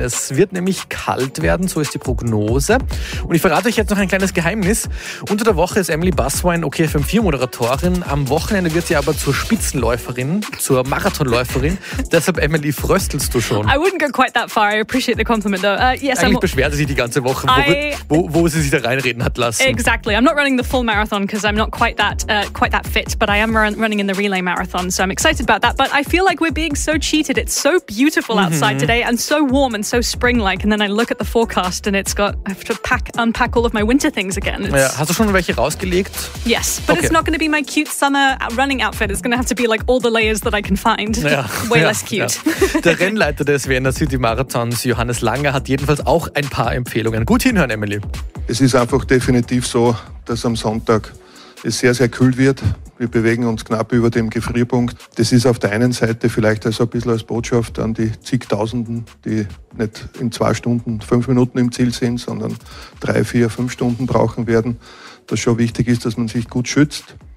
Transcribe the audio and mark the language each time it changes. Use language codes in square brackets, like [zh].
[de] Es wird nämlich kalt werden, so ist die Prognose. Und ich verrate euch jetzt noch ein kleines Geheimnis. Unter der Woche ist Emily Buswein OKFM 4 Moderatorin. Am Wochenende wird sie aber zur Spitzenläuferin, zur Marathonläuferin. Deshalb Emily Fröstl schmunzelst du schon. [en] I wouldn't go quite that far. I appreciate the compliment though. [de] Eigentlich beschwerte sie die ganze Woche, wo sie sich da reinreden hat lassen. [en] Exactly. I'm not running the full marathon because I'm not quite that fit, but I am running in the relay marathon, so I'm excited about that. But I feel like we're being so cheated. It's so beautiful outside today and so warm and so spring-like. And then I look at the forecast and it's got, I have to unpack all of my winter things again. [de] Ja, hast du schon welche rausgelegt? [en] Yes, but okay. It's not going to be my cute summer running outfit. It's going to have to be like all the layers that I can find. [de] Ja. [en] Way less cute. [de] Ja. Der Rennleiter des Vienna City Marathons, Johannes Lange, hat jedenfalls auch ein paar Empfehlungen. Gut hinhören, Emily. Es ist einfach definitiv so, dass am Sonntag es sehr, sehr kühl wird. Wir bewegen uns knapp über dem Gefrierpunkt. Das ist auf der einen Seite vielleicht also ein bisschen als Botschaft an die zigtausenden, die nicht in 2 Stunden, 5 Minuten im Ziel sind, sondern 3, 4, 5 Stunden brauchen werden, dass schon wichtig ist, dass man sich gut schützt.